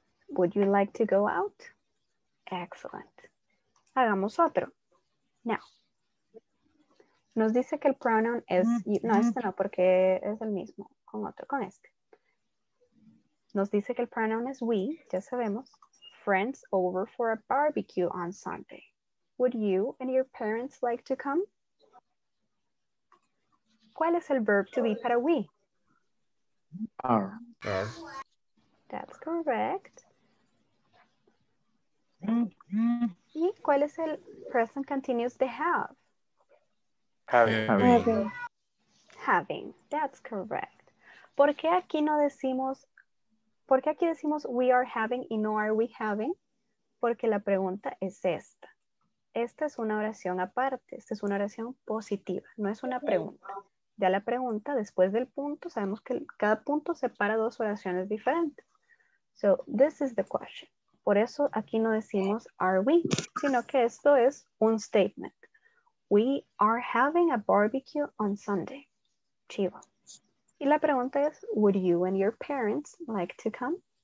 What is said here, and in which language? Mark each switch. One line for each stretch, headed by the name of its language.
English: Would you like to go out? Excellent.
Spanish: Hagamos otro.
English: Now.
Spanish: Nos dice que el pronoun es you. No, este no, porque es el mismo con otro, con este. Nos dice que el pronoun es we, ya sabemos.
English: Friends over for a barbecue on Sunday. Would you and your parents like to come?
Spanish: ¿Cuál es el verb to be para we?
English: Are. That's correct.
Spanish: ¿Y cuál es el present continuous to have?
English: Having. That's correct.
Spanish: ¿Por qué aquí no decimos... ¿Por qué aquí decimos
English: we are having
Spanish: y no
English: are we having?
Spanish: Porque la pregunta es esta. Esta es una oración aparte. Esta es una oración positiva. No es una pregunta. Ya la pregunta, después del punto, sabemos que cada punto separa dos oraciones diferentes.
English: So, this is the question.
Spanish: Por eso aquí no decimos
English: are we,
Spanish: sino que esto es un statement.
English: We are having a barbecue on Sunday. Chivo.
Spanish: Y la pregunta es,
English: would you and your parents like to come?